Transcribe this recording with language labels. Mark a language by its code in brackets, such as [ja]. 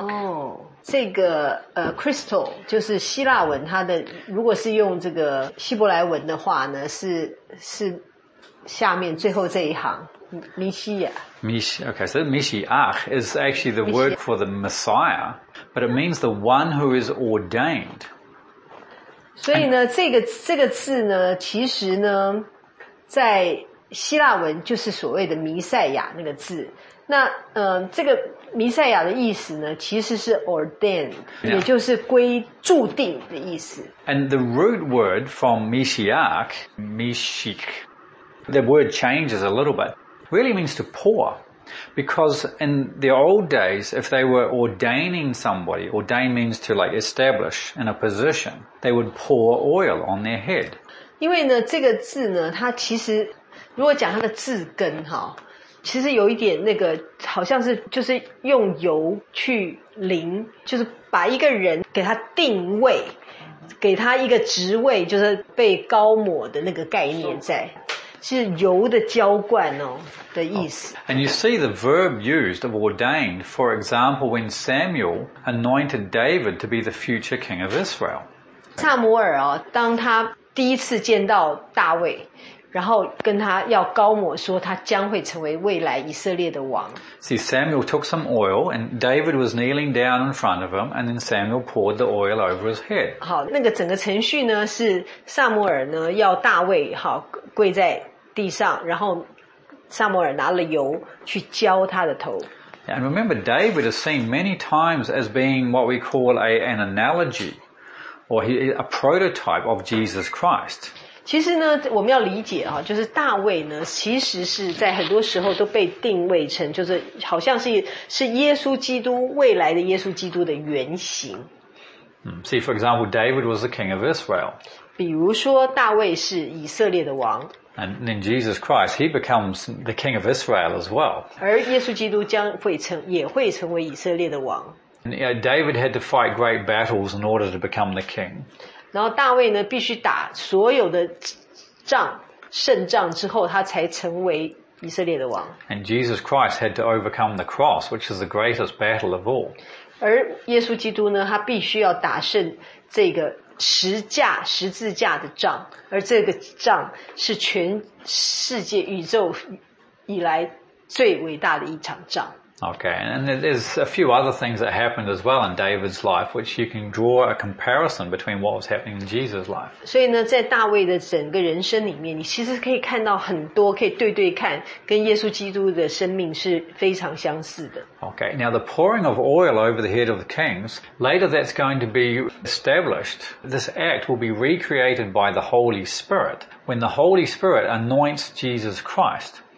[zh] Oh, 这个crystal 就是希腊文它的，如果是用这个希伯来文的话呢，是下面最后这一行。 [en] Okay, so Mashiach is actually the word for the Messiah, but it means the one who is ordained. [zh] 所以呢，这个字呢，其实呢，在希腊文就是所谓的弥赛亚那个字。那这个弥赛亚的意思呢，其实是 ordained, 也就是归注定的意思。 [en] And the root word from Mashiach, Mashiach, the word changes a little bit. Really means to pour. Because in the old days, if they were ordaining somebody, ordain means to like establish in a position, they would pour oil on their head. [zh] 因为呢这个字呢它其实如果讲它的字根其实有一点那个好像是就是用油去淋就是把一个人给他定位给他一个职位就是被高抹的那个概念在。是油的浇灌哦的意思。Oh, [en] and you see the verb used of ordained, for example, when Samuel anointed David to be the future king of Israel. [zh] 撒母耳哦，当他第一次见到大卫，然后跟他要高抹说他将会成为未来以色列的王。 [en] See, Samuel took some oil, and David was kneeling down in front of him, and then Samuel poured the oil over his head. [zh] 好，那个整个程序呢是撒母耳呢要大卫好。跪在地上，然后撒母耳拿了油去浇他的头。 [en] And remember, David is seen many times as being what we call an analogy, or a prototype of Jesus Christ. [zh] 其实呢，我们要理解啊，就是大卫呢，其实是在很多时候都被定位成，就是好像是耶稣基督未来的耶稣基督的原型。 [en] See, for example, David was the king of Israel. [zh] 比如说大卫是以色列的王 [en] And then Jesus Christ, he becomes the king of Israel as well. [zh] 而耶稣基督也会成为以色列的王 [en] And, you know, David had to fight great battles in order to become the king. [zh] 然后大卫呢必须打所有的仗胜仗之后他才成为以色列的王 [en] And Jesus Christ had to overcome the cross, which is the greatest battle of all. [zh] 而耶稣基督呢他必须要打胜这个十架十字架的杖，而这个杖是全世界宇宙以来最伟大的一场仗。 [en] Okay, and there's a few other things that happened as well in David's life, which you can draw a comparison between what was happening in Jesus' life. [zh] 所以呢，在大卫的整个人生里面，你其实可以看到很多，可以对对看，跟耶稣基督的生命是非常相似的。 [en] Okay, now the pouring of oil over the head of the kings, later that's going to be established. This act will be recreated by the Holy Spirit, when the Holy Spirit anoints Jesus Christ.